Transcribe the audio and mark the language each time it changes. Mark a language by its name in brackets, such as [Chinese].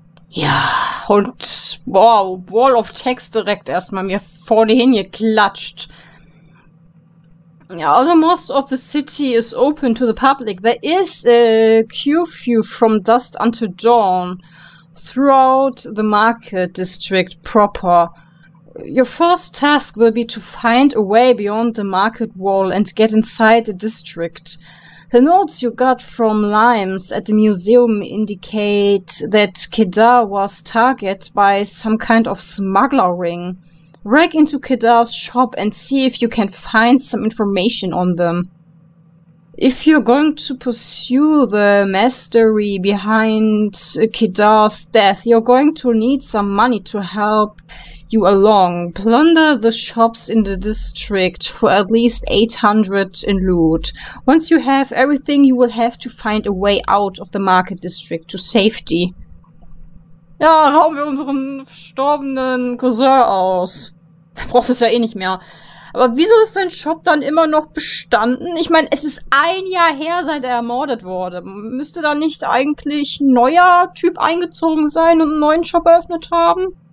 [German] Ja, und wow, Wall of Text direkt erstmal mir vorhin geklatscht. [English] Yeah, although most of the city is open to the public, there is a curfew from dusk until dawn throughout the market district proper. Your first task will be to find a way beyond the market wall and get inside the district. The notes you got from Limes at the museum indicate that Kedar was targeted by some kind of smuggler ring. Break into Kedar's shop and see if you can find some information on them. If you're going to pursue the mystery behind Kedar's death, you're going to need some money to help you along. Plunder the shops in the district for at least 800 in loot. Once you have everything, you will have to find a way out of the market district to safety. [German] Ja, rauben wir unseren verstorbenen Cousin aus. Da brauchst du es ja eh nicht mehr. Aber wieso ist dein Shop dann immer noch bestanden? Ich meine, es ist ein Jahr her, seit er ermordet wurde. Müsste da nicht eigentlich ein neuer Typ eingezogen sein und einen neuen Shop eröffnet haben?